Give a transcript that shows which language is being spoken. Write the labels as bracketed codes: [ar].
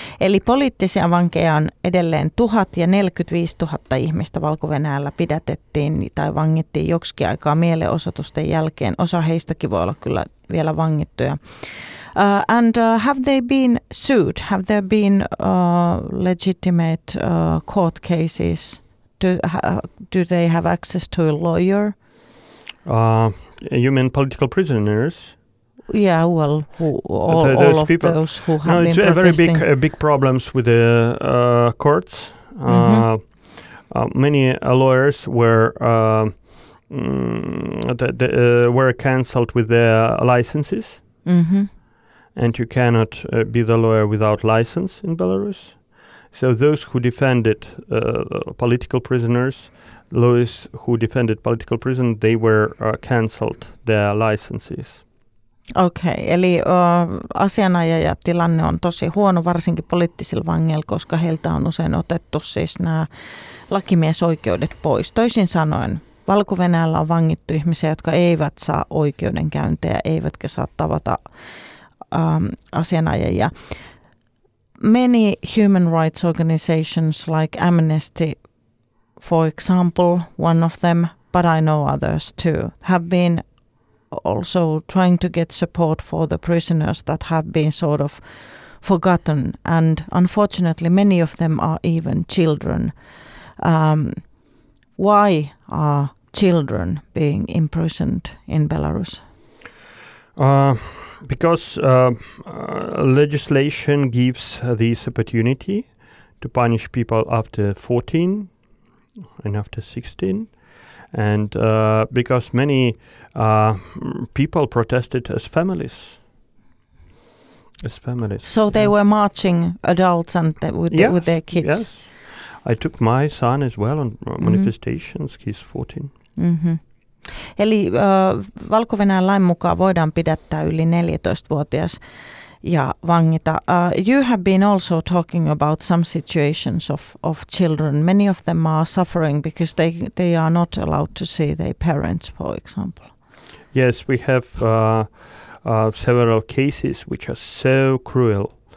[fi] Eli poliittisia vankeja on edelleen 1000 ja 45 000 ihmistä Valko-Venäjällä pidätettiin tai vangittiin joksikin aikaa mielenosoitusten jälkeen. Osa heistäkin voi olla kyllä vielä vangittuja. [en] Have they been sued? Have there been legitimate court cases? Do they have access to a lawyer? You mean political prisoners? Yeah, well, those who have been protesting. It's very big, big problems with the courts. Many lawyers were cancelled with their licenses. Mm-hmm. And you cannot be the lawyer without license in Belarus. So those who defended political prisoners, lawyers who defended political prisoners, they were cancelled their licenses. [fi] Okay, eli asianajaja tilanne on tosi huono, varsinkin poliittisilla vangeilla, koska heiltä on usein otettu siis nämä lakimiesoikeudet pois. Toisin sanoen, Valko-Venäjällä on vangittu ihmisiä, jotka eivät saa oikeudenkäyntejä, eivätkä saa tavata asianajajia. [en] Many human rights organizations like Amnesty, for example, one of them, but I know others too, have been also trying to get support for the prisoners that have been sort of forgotten. And unfortunately, many of them are even children. Why are children being imprisoned in Belarus? Because legislation gives this opportunity to punish people after 14 and after 16. And because many people protested as families. So they were marching, adults and with their kids. Yes, I took my son as well on manifestations. He's 14. [fi] Eli Valko-Venäjän lain mukaan voidaan pidättää yli 14-vuotias ja vangita. [en] You have been also talking about some situations of children. Many of them are suffering because they are not allowed to see their parents, for example. Yes, we have several cases which are so cruel.